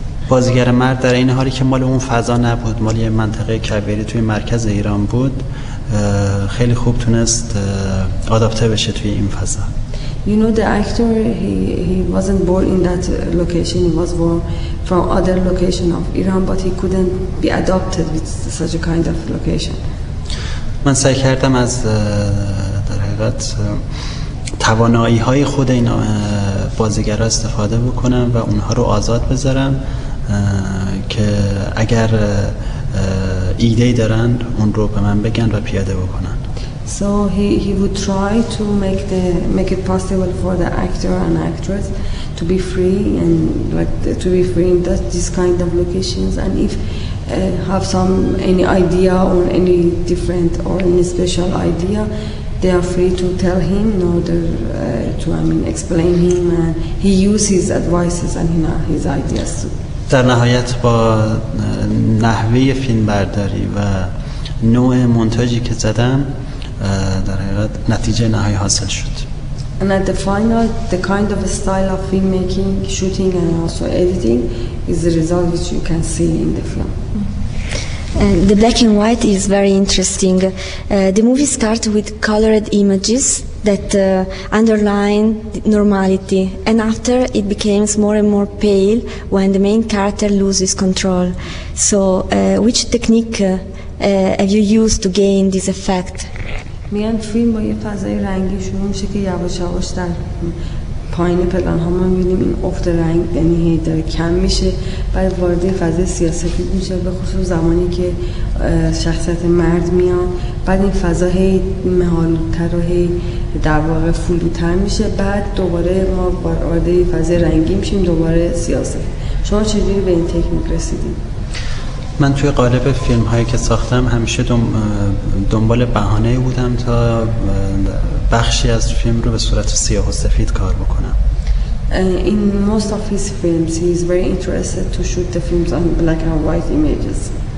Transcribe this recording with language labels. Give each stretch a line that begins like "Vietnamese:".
Persian: بازیگر مرد در این حالی که مال اون فضا نبود، مال یه منطقه کویری توی مرکز ایران بود، خیلی خوب تونست آداپته بشه توی این فضا.
English: You know the actor, he wasn't born in that location, he was born from other location of Iran, but he couldn't be adopted with such a kind of location.
Persian: من سعی کردم از در حقیقت توانایی های خود این بازیگرها استفاده بکنم و اونها رو آزاد بذارم که اگر ایده‌ای دارن اون رو به من بگن و پیاده بکنن.
English: So he would try to make it possible for the actor and actress to be free and like to be free in this kind of locations, and if have some any idea or any different or any special idea, they are free to tell him in order to explain him, and he uses his advices and his ideas too.
Persian: در نهایت با نحوه فیلم برداری و نوع مونتاژی که زدم در حقیقت نتیجه نهایی حاصل شد.
English: And at the final, the kind of style of filmmaking, shooting and also editing is the result which you can see in the film. The black and white is very interesting. The movie starts with colored images that underline normality, and after it becomes more and more pale when the main character loses control. So which technique have you used to gain this effect?
Persian: میان فیلم با یه فضای رنگی شروع میشه که یواش یواش در پایین پلان ها ما میبینیم این افت رنگ دنیهی داره کم میشه، بعد وارد فضای سیاسفید میشه، به خصوص زمانی که شخصیت مرد میان، بعد این فضا هی مهالوتر و هی در واقع فلوتر میشه، بعد دوباره ما وارد فضای رنگی میشیم دوباره سیاسفید. شما چجوری به این تکنیک رسیدیم؟ من توی قالب فیلم هایی که ساختم همیشه دنبال بهانه بودم تا بخشی از فیلم رو به صورت سیاه و سفید کار بکنم.
English: In most of his films he is very interested to shoot the films on black and white images.